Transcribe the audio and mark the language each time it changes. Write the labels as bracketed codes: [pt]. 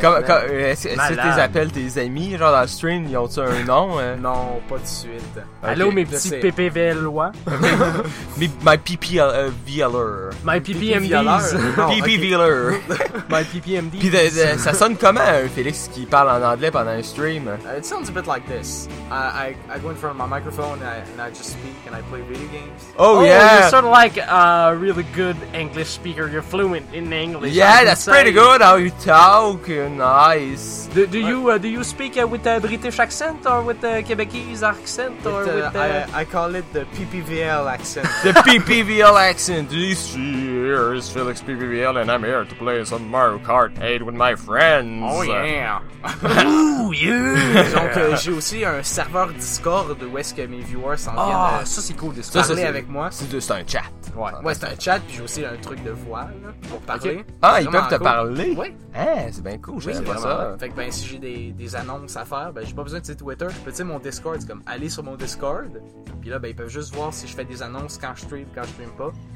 [fr] Est-ce que tu les appelles tes amis, genre dans le stream, ils ont-tu un nom? Non, pas de suite. Okay. Allô, mes petits PPVLois. [en] My PPVLer. My PPMDs. PPVLer. My PPMDs. [fr] Puis ça sonne comment, Félix, qui parle en anglais pendant un stream? [en] It sounds a bit like this. I go in front of my microphone and I just speak and I play video games. Oh, yeah. You're sort of like a really good English speaker. You're fluent in English. Yeah, that's pretty good. Good how you talk, nice. Do you speak with a British accent or with a Quebecese accent or I call it the PPVL accent. The PPVL accent. This year is Felix PPVL and I'm here to play some Mario Kart 8 with my friends. Oh yeah. Ooh yeah. [fr] Donc j'ai aussi un serveur Discord où est-ce que mes viewers s'en viennent. Ah, ça c'est cool de se parler avec moi. C'est un chat. Ouais, c'est un chat, puis j'ai aussi un truc de voix là, pour parler. Okay. Ah, ils peuvent te parler? Oui. Hey, c'est bien cool, j'aime pas ça. Vrai. Fait que ben, si j'ai des annonces à faire, ben, j'ai pas besoin de Twitter. Je peux, tu sais, mon Discord, c'est comme aller sur mon Discord, puis là, ben, ils peuvent juste voir si je fais des annonces quand je stream pas.